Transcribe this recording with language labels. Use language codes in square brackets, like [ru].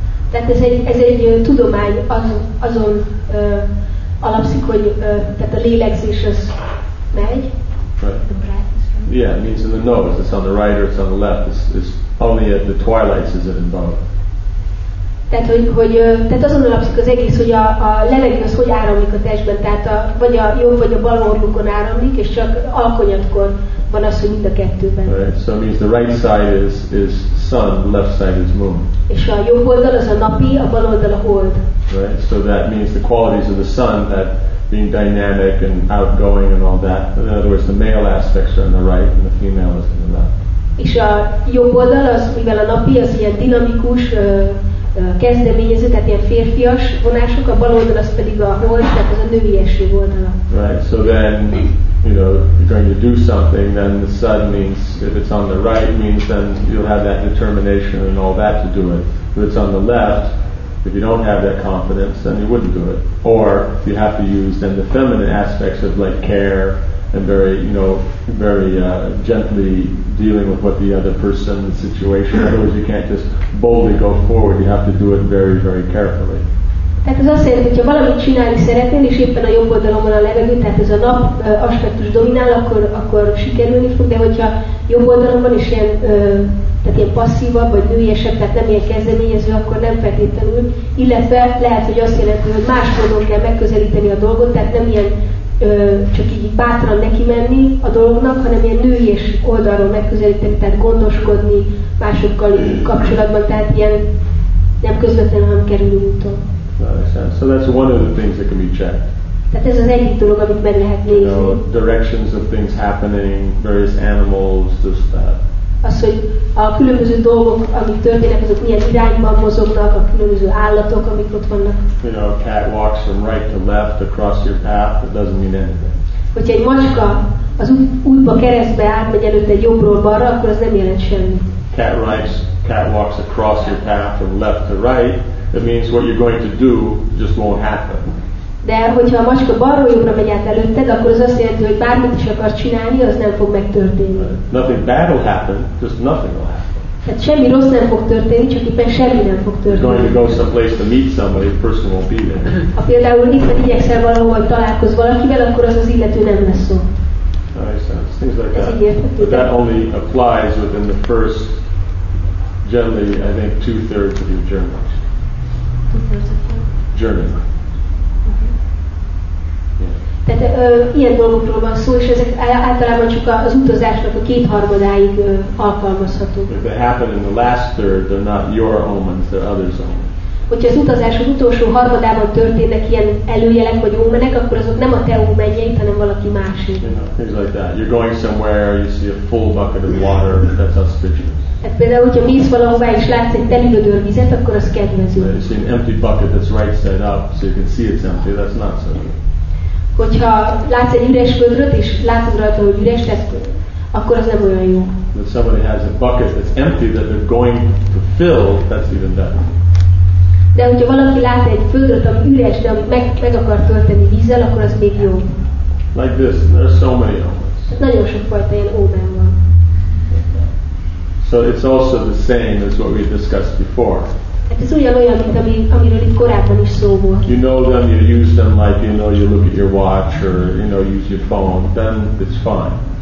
[hu] Tehát ez egy tudomány azon alapszik, hogy tehát a lélegzés az megy. [en] Right. Yeah, it means in the nose. It's on the right or it's on the left. It's only at the twilights is it in both. [hu] Tehát azon alapszik az egész, hogy a levegő az hogy áramlik a testben, tehát vagy a jobb vagy a bal orrunkon áramlik, és csak alkonyatkor van az, hogy mind a kettőben. [en] Right. So it means the right side is sun, left side is moon. [hu] És a jobb oldal az a napi, a bal oldal a hold. [en] Right. So that means the qualities of the sun, that being dynamic and outgoing and all that. In other words, the male aspects are on the right and the female is on the left. [hu] És a jobb oldal az, mivel a napi az ilyen dinamikus, kezdeményező, tehát ilyen férfias vonások, a bal oldal az pedig a hold, tehát az a növieső oldala. [en] Right, so then, you know, you're going to do something, then the sun means, if it's on the right, means then you'll have that determination and all that to do it. If it's on the left, if you don't have that confidence, then you wouldn't do it. Or you have to use then the feminine aspects of like care and very, you know, very gently dealing with what the other person, the situation. In other words, you can't just boldly go forward. You have to do it very, very carefully. [hu] Tehát ez azt jelenti, hogyha valamit csinálni szeretnél, és éppen a jobb oldalon van a levegő, tehát ez a nap aspektus dominál, akkor sikerülni fog, de hogyha jobb oldalon van, és ilyen, tehát ilyen passzívabb, vagy nőiesebb, tehát nem ilyen kezdeményező, akkor nem feltétlenül, illetve lehet, hogy azt jelenti, hogy más módon kell megközelíteni a dolgot, tehát nem ilyen csak így bátran neki menni a dolognak, hanem ilyen nőies oldalról megközelíteni, tehát gondoskodni másokkal kapcsolatban, tehát ilyen nem közvetlenül, hanem kerülő úton. [en] So that's one of the things that can be checked. [hu] Tehát ez az egyik dolog, amit meg lehet nézni. [en] You know, directions of things happening, various animals, just that. [hu] Az, hogy a különböző dolgok, amik történnek, azok milyen irányban mozognak, a különböző állatok, amik ott vannak. [en] You know, a cat walks from right to left across your path, it doesn't mean anything. [hu] Hogyha egy macska az útba keresztbe átmegy előtte jobbról balra, akkor az nem jelent semmit. [en] Cat walks across your path from left to right. It means what you're going to do just won't happen. [hu] De hogyha a macska balról jobbra megy át előtted, akkor az azt jelenti, hogy bármit is akarsz csinálni, az nem fog megtörténni. [en] Nothing bad will happen, just nothing will happen. [hu] Tehát semmi rossz nem fog történni, csak éppen semmi nem fog történni. [en] You're going to go someplace to meet somebody, the person won't be there. [hu] Ha például itt meg igyekszel valahol találkozz valakivel, akkor az illető nem lesz szó. [en] Things like that. But that only applies within the first, generally, I think, two-thirds of your journey. [hu] Tehát ilyen dolgokról van szó, és ezek általában csak az utazásnak a kétharmadáig alkalmazhatók. [en] If they happen in the last third, they're not your omens, they're others' omens. [hu] hogyha az utazásod utolsó harmadában történnek ilyen előjelek vagy ómenek, akkor azok nem a te ómenjeid, hanem valaki másé. [en] You know, things like that. You're going somewhere, you see a full bucket of water, that's auspicious. [hu] Hát például, hogyha mész valahová és látsz egy telivödör vizet, akkor az kedvező. [en] You see an empty bucket that's right side up, so you can see it's empty, that's not so good. [hu] Hogyha látsz egy üres vödröt és látod rajta, hogy üres lesz, akkor az nem olyan jó. [en] If somebody has a bucket that's empty that they're going to fill, that's even better. [hu] De hogyha valaki lát egy vödröt, ami üres, de meg akar tölteni vízzel, akkor az még jó. [en] Like this, there are so many omens. [hu] Nagyon sok fajta ilyen ómen van. [en] So it's also the same as what we discussed before. [hu] Ez olyan, mint amiről itt korábban is szó volt. [en] You know them, you use them like you know you look at your watch or you know use your phone, then it's fine.